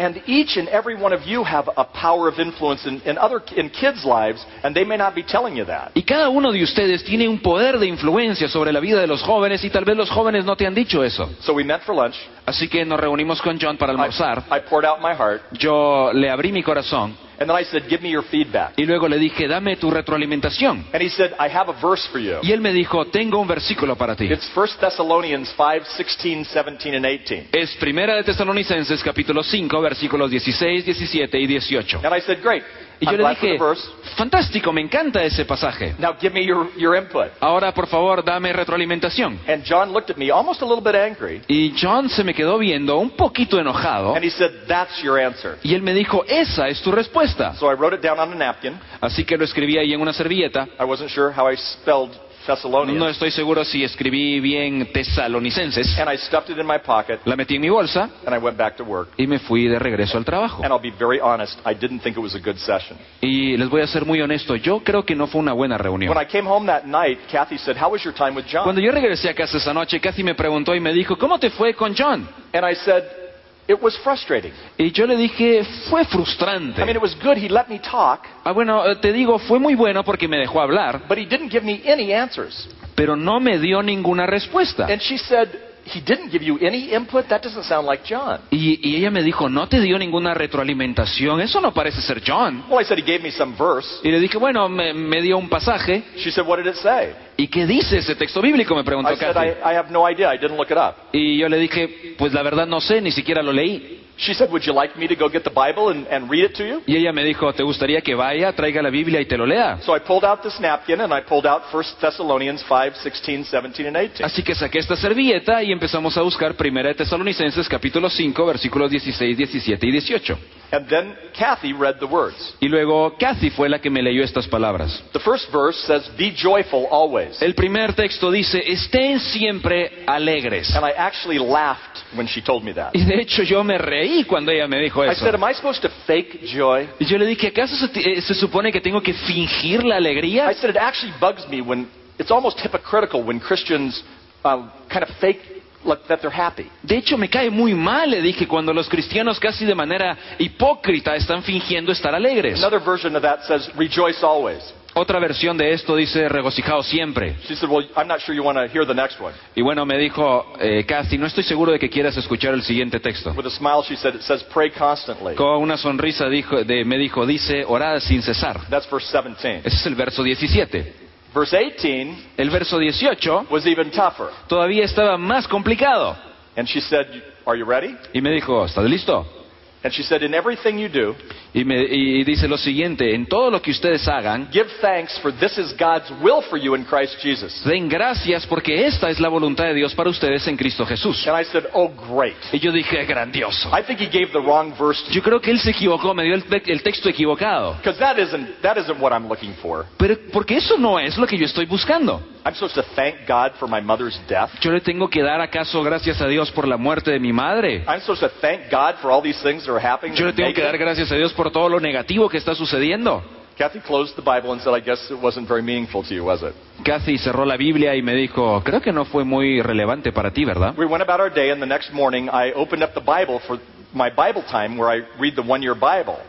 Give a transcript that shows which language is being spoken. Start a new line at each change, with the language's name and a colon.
English: And each and every one of you have a power of influence in kids' lives and they may not be telling you that.
Spanish: Y cada uno de ustedes tiene un poder de influencia sobre la vida de los jóvenes y tal vez los jóvenes no te han dicho eso.
English: So we met for lunch.
Spanish: Así que nos reunimos con John para almorzar.
English: I poured out my heart.
Spanish: Yo le abrí mi corazón.
English: And then I said, "Give me your feedback."
Spanish: Y luego le dije, "Dame tu retroalimentación."
English: And he said, "I have a verse for you."
Spanish: Y él me dijo, "Tengo un versículo para ti."
English: It's 1 Thessalonians 5, 16, 17, and 18.
Spanish: Es Primera de Tesalonicenses capítulo 5, versículos 16, 17 y 18.
English: And I said, "Great."
Spanish: Y yo
English: I'm
Spanish: le dije, "Fantástico, me encanta ese pasaje."
English: Now give me your input.
Spanish: Ahora, por favor, dame retroalimentación.
English: And John looked at me almost a little bit angry.
Spanish: Y John se me quedó viendo un poquito enojado.
English: And he said, "That's your answer."
Spanish: Y él me dijo, "Esa es tu respuesta."
English: So I wrote it down on a napkin.
Spanish: Así que lo escribí ahí en una servilleta.
English: I wasn't sure how I spelled Thessalonians.
Spanish: No estoy seguro si escribí bien Tesalonicenses.
English: And I stuffed it in my pocket.
Spanish: La metí en mi bolsa.
English: And I went back to work.
Spanish: Y me fui de regreso al trabajo.
English: And I'll be very honest, I didn't think it was a good session.
Spanish: Y les voy a ser muy honesto, yo creo que no fue una buena reunión.
English: When I came home that night, Kathy said, "How was your time with John?"
Spanish: Cuando yo regresé a casa esa noche, Kathy me preguntó y me dijo, "¿Cómo te fue con John?"
English: And I said, "It was frustrating."
Spanish: Y yo le dije, fue frustrante.
English: I mean, it was good. He let me talk.
Spanish: Ah, bueno, te digo, fue muy bueno porque me dejó hablar.
English: But he didn't give me any answers.
Spanish: pero no me dio ninguna respuesta.
English: And she said, he didn't give you any input. That doesn't sound like John.
Spanish: Y ella me dijo, no te dio ninguna retroalimentación. Eso no parece ser John.
English: Well, I said he gave me some verse.
Spanish: Y le dije, bueno, me dio un pasaje.
English: She said, what did it say?
Spanish: ¿Y qué dice ese texto bíblico? Me preguntó
English: Kathy. I said, I have no idea. I didn't look it up.
Spanish: Y yo le dije, pues la verdad no sé, ni siquiera lo leí.
English: She said, would you like me to go get the Bible and read it to you?
Spanish: Y ella me dijo, ¿te gustaría que vaya, traiga la Biblia y te lo lea?
English: So I pulled out this napkin and I pulled out 1 Thessalonians 5, 16, 17 and 18.
Spanish: Así que saqué esta servilleta y empezamos a buscar 1 Tesalonicenses capítulo 5, versículos 16, 17 y 18.
English: And then Kathy read the words.
Spanish: Y luego Kathy fue la que me leyó estas palabras.
English: The first verse says, be joyful always.
Spanish: El primer texto dice, estén siempre alegres.
English: And I actually laughed when she told me that.
Spanish: Y de hecho yo me reí. Y cuando ella me dijo eso,
English: I said, am I supposed to fake joy?
Spanish: Y yo le dije, ¿acaso se supone que tengo que fingir la alegría?
English: I said, it actually bugs me when it's almost hypocritical when Christians kind of fake that they're happy.
Spanish: De hecho, me cae muy mal, le dije, cuando los cristianos casi de manera hipócrita están fingiendo estar alegres.
English: Another version of that says, rejoice always.
Spanish: Otra versión de esto dice, regocijaos siempre.
English: She said, well, I'm not sure you want to hear the next one.
Spanish: Y bueno, me dijo, Kathy, no estoy seguro de que quieras escuchar el siguiente texto.
English: With a smile, she said, it says, pray constantly.
Spanish: Con una sonrisa me dijo, dice, orad sin cesar.
English: That's verse 17.
Spanish: Ese es el verso 17.
English: Verse 18,
Spanish: el verso 18
English: was even tougher.
Spanish: Todavía estaba más complicado.
English: And she said, are you ready?
Spanish: Y me dijo, ¿estás listo?
English: And she said, in everything you do,
Spanish: y dice lo siguiente, en todo lo que ustedes hagan,
English: give thanks for this is God's will for you in Christ Jesus.
Spanish: Den gracias porque esta es la voluntad de Dios para ustedes en Cristo Jesús.
English: And I said, oh great.
Spanish: Y yo dije, grandioso.
English: I think he gave the wrong verse to
Spanish: yo creo que él se equivocó, me dio el texto equivocado.
English: Because that isn't what I'm looking for.
Spanish: Pero porque eso no es lo que yo estoy buscando.
English: I'm supposed to thank God for my mother's death.
Spanish: ¿Yo le tengo que dar acaso gracias a Dios por la muerte de mi madre?
English: I'm supposed to thank God for all these things that are happening.
Spanish: ¿Yo le tengo que dar gracias a Dios por todo lo negativo que está sucediendo?
English: Kathy closed the Bible and said, I guess it wasn't very meaningful to you, was it?
Spanish: Kathy cerró la Biblia y me dijo, creo que no fue muy relevante para ti, ¿verdad?
English: We went about our day and the next morning I opened up the Bible for my Bible time where I read the one-year Bible.